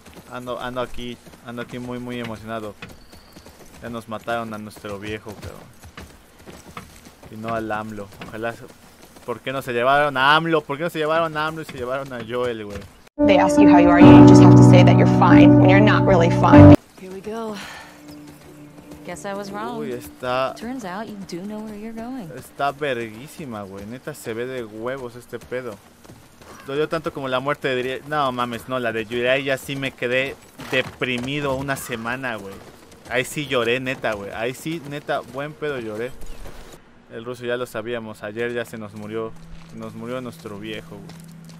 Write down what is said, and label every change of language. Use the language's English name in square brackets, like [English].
[Spanish] Ando aquí muy muy emocionado. Ya nos mataron a nuestro viejo, pero y no al AMLO. Ojalá. ¿Por qué no se llevaron a AMLO? ¿Por qué no se llevaron a AMLO y se llevaron a Joel, güey? [English] They ask you how you are, you just have to say that you're fine when you're not really fine. Here we go. Guess I was wrong. [Spanish] Uy, está. [English] Turns out you do know where you're going. [Spanish] Está verguísima, güey. Neta, se ve de huevos este pedo. Dolió tanto como la muerte de. No mames, no, la de Yuri. Ya sí me quedé deprimido una semana, güey. Ahí sí lloré, neta, güey. Ahí sí, neta, buen pedo lloré. El ruso ya lo sabíamos. Ayer ya se nos murió nuestro viejo, güey.